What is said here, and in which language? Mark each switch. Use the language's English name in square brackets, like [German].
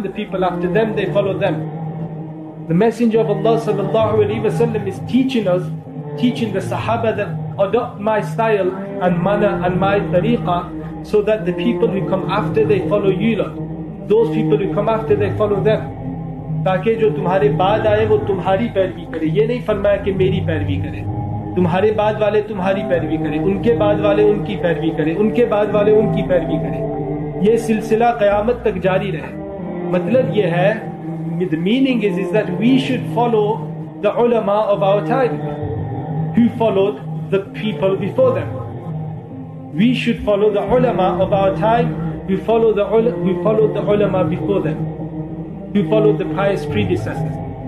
[English] The people after them, they follow them. The Messenger of Allah sallallahu alaihi wasallam is teaching us, teaching the Sahaba, that adopt my style and manner and my tariqah, so that the people who come after, they follow you lot. Those people who come after, they follow them. [Urdu] تاکہ جو تمہارے بعد آئے وہ تمہاری پیروی کرے. یہ نہیں فرمایا کہ میری پیروی کرے. تمہارے بعد والے تمہاری پیروی کریں, ان کے بعد والے ان کی پیروی کریں, ان کے بعد والے ان کی پیروی کریں. یہ سلسلہ قیامت تک جاری رہے. مطلب یہ ہے, [English] the meaning is that we should follow the ulama of our time who followed the people before them. We should follow the ulama of our time who followed the ulama before them, who followed the pious predecessors.